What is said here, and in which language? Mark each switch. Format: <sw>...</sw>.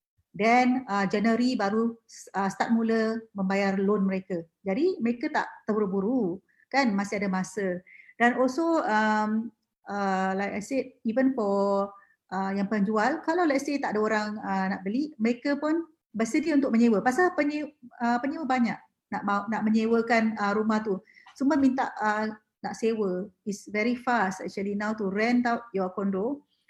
<ms>Then January baru start mula membayar loan mereka. Jadi mereka tak terburu-buru kan, masih ada masa. Dan</ms> <en>also like I said, even for</en> <ms>yang penjual, kalau</ms> <en>let's say</en> <ms>tak ada orang nak beli, mereka pun bersedia untuk menyewa. Pasal penyewa banyak nak menyewakan rumah tu. Semua minta nak sewa.</ms> <en>It's very fast actually now to rent out your condo.</en>